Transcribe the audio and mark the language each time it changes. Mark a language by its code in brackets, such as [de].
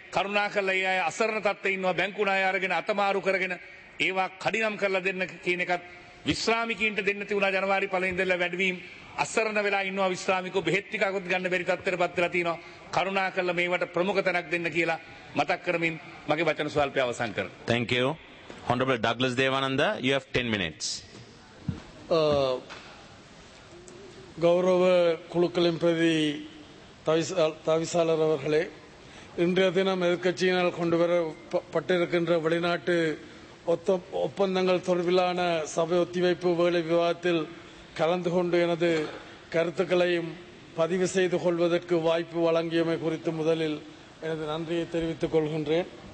[si] කරුණා කළා ඒ අය අසරණ තත්ත්වයේ ඉන්නවා බැංකු ණය අරගෙන අතමාරු කරගෙන ඒවා කඩිනම් කරලා දෙන්න කියන එකත් විශ්‍රාමිකයින්ට දෙන්න තිබුණා ජනවාරි පළවෙනි ඉඳලා වැඩවීම් අසරණ වෙලා ඉන්නවා විශ්‍රාමිකෝ බෙහෙත් ටිකකුත් ගන්න බැරි තත්ත්වයට පත් වෙලා තියෙනවා. කරුණා කළා මේවට ප්‍රමුඛ තැනක් දෙන්න කියලා මතක් කරමින් මගේ වචන ස්වල්පය අවසන් කරනවා. [en] Thank you. Honorable Douglas Devananda, you have 10 minutes. [ta] Gaurava Kulukkalin Prathi Thavisalar avargale இன்றைய தினம் எதிர்கட்சியினால் கொண்டு வரப்பட்டிருக்கின்ற வெளிநாட்டு ஒப்பந்தங்கள் தொடர்பிலான சபை ஒத்திவைப்பு வேலை விவாதத்தில் கலந்து கொண்டு எனது கருத்துக்களையும் பதிவு செய்து கொள்வதற்கு வாய்ப்பு வழங்கியமை குறித்து முதலில் எனது நன்றியை தெரிவித்துக் கொள்கின்றேன்.